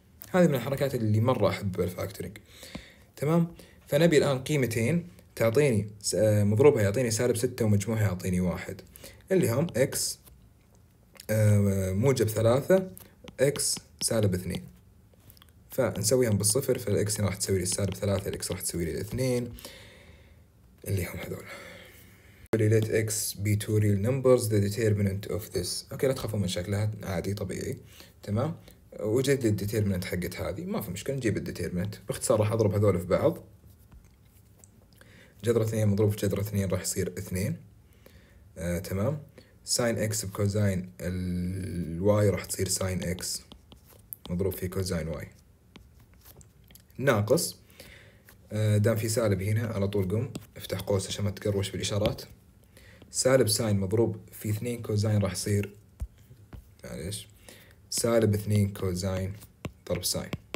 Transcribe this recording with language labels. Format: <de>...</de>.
<ar>هذه من الحركات اللي مرة احب الفاكتورينج. تمام، فنبي الان قيمتين تعطيني مضروبها يعطيني سالب 6 ومجموعها يعطيني 1، اللي هم اكس موجب 3 اكس سالب 2. فنسويهم بالصفر، فالاكس هنا راح تسوي لي سالب 3، الاكس راح تسوي لي 2 اللي هم هذول.</ar> <en>let x be two real numbers the determinant of this.</en> <ar>اوكي لا تخافوا من شكلها، عادي طبيعي. تمام، وجد لي الديتيرمنت حقت هذه، ما في مشكله نجيب الديتيرمنت. باختصار راح اضرب هذول في بعض، جذر 2 مضروب في جذر 2 راح يصير 2. تمام، ساين اكس بكوزاين الواي راح تصير ساين اكس مضروب في كوزاين واي، ناقص دام في سالب هنا على طول قم افتح قوس عشان ما تقروش بالاشارات، سالب ساين مضروب في 2 كوزاين راح يصير معليش سالب 2 كوزاين ضرب ساين.</ar>